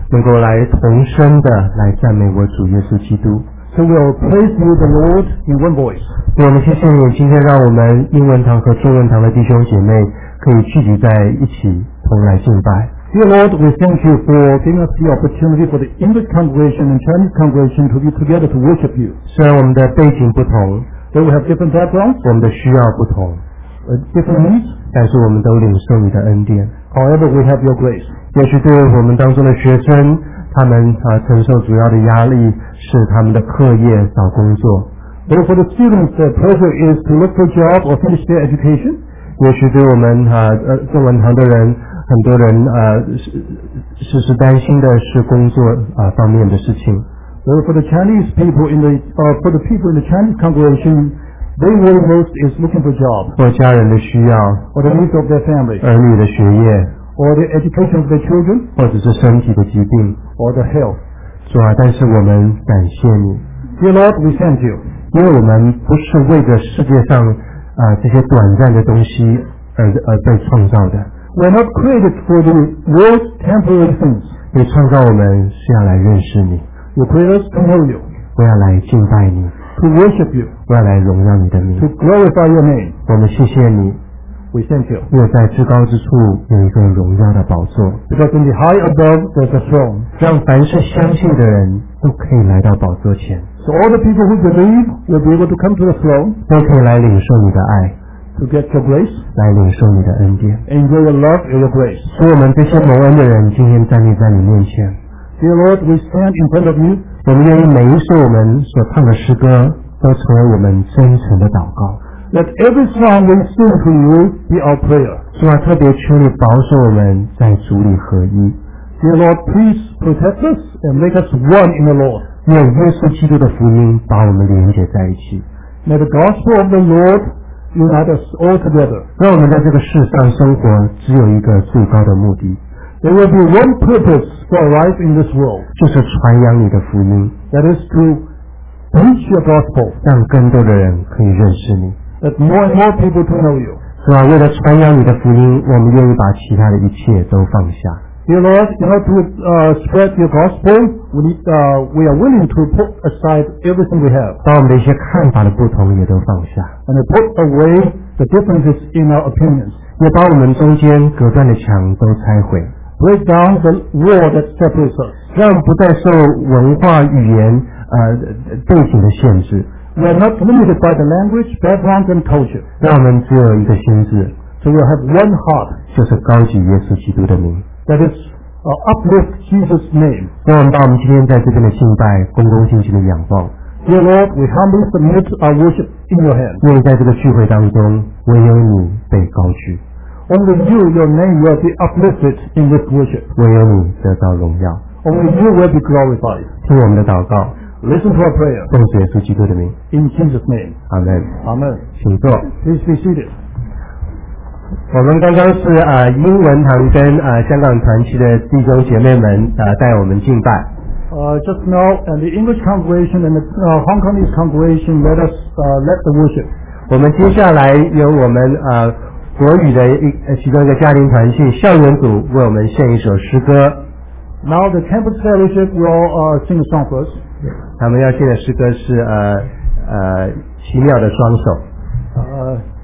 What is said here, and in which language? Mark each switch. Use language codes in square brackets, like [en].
[zh] 能够来同声的来赞美我主耶稣基督。 [en] So we'll praise you, the Lord, in one voice. [zh] 我们谢谢你今天让我们英文堂和中文堂的弟兄姐妹可以聚集在一起同来敬拜。 [en] Dear Lord, we thank you for giving us the opportunity for the English congregation and Chinese congregation to be together to worship you. [zh] 虽然我们的背景不同 [en] ，Though we have different backgrounds, [zh] 我们的需要不同。 [en] Different needs, [zh] 但是我们都领受你的恩典。 [en] However, we have your grace. [zh] 也许对我们当中的学生，他们承受主要的压力是他们的课业找工作。 [en] Though for the students, the pressure is to look for a job or finish their education. [zh] 也许对我们中文堂的人，很多人是担心的是工作方面的事情。 [en] Though for the Chinese people in the for the people in the Chinese congregation. They worry most is looking for a job, [zh] 或家人的需要 [en] or the needs of their family, [zh] 儿女的学业 [en] or the education of their children, [zh] 或者是身体的疾病 [en] or the health. [zh] 主啊，但是我们感谢你。 [en] Dear Lord, we thank you. [zh] 因为我们不是为着世界上这些短暂的东西而被创造的。 [en] We're not created for the world's temporary things. [zh] 你创造我们是要来认识你。 [en] You create us to know you. [zh] 我要来敬拜你。 [en] To worship you, [zh] 我要来荣耀你的名。 [en] To glorify your name, [zh] 我们谢谢你。 [en] We thank you. [zh] 因为在至高之处有一个荣耀的宝座。 [en] Because in the high above there's a throne. [zh] 让凡是相信的人都可以来到宝座前。 [en] So all the people who believe will be able to come to the throne. [zh] 都可以来领受你的爱。 [en] To get your grace. [zh] 来领受你的恩典。 [en] Enjoy your love and your grace. [zh] 所以我们这些蒙恩的人今天站立在你面前。 [en] Dear Lord, we stand in front of you. [zh] 我们愿意每一首我们所唱的诗歌都成为我们真诚的祷告。 [en] Let every song we sing to you be our prayer. [zh] 主啊，特别求你保守我们在主里合一。 [en] Dear Lord, please protect us and make us one in the Lord. [zh] 愿耶稣基督的福音把我们连接在一起。 [en] May the gospel of the Lord unite us all together. [zh] 让我们在这个世上生活只有一个最高的目的。 [en] There will be one purpose for life in this world. [zh] 就是传扬你的福音。 [en] That is to preach your gospel. [zh] 让更多的人可以认识你。 [en] That more and more people to know you. [zh] 是吧？为了传扬你的福音，我们愿意把其他的一切都放下。 [en] Dear Lord, in order to spread your gospel, we are willing to put aside everything we have. [zh] 把我们的一些看法的不同也都放下。 [en] And to put away the differences in our opinions. [zh] 也把我们中间隔断的墙都拆毁。 [en] Break down the wall that separates us. [zh] 让不再受文化语言背景的限制。 [en] We are not limited by the language, background and culture. [zh] 让我们只有一个心智。 [en] So we have one heart. [zh] 就是高举耶稣基督的名。 [en] That is uplift Jesus' name. [zh] 让我们把我们今天在这边的敬拜恭恭敬敬的仰望。 [en] Dear Lord, we humbly submit our worship in your hands. [zh] 因为在这个聚会当中，唯有你被高举。 [en] Only you, your name will be uplifted in this worship. [zh] 唯有你得到荣耀。 [en] Only you will be glorified. [zh] 听我们的祷告。 [en] Listen to our prayer. [zh] 奉主耶稣基督的名。 [en] In Jesus' name. Amen. Amen. [zh] 请坐。 [en] Please be seated. [zh] 我们刚刚是英文堂跟香港团契的弟兄姐妹们带我们敬拜。 [en] Just now, and the English congregation and the Hong Kongese congregation let us let the worship. [zh] 我们接下来由我们国语的其中一个家庭团契校园组为我们献一首诗歌。 [en] Now the campus fellowship will sing a song for us. [zh] 他们要献的诗歌是奇妙的双手。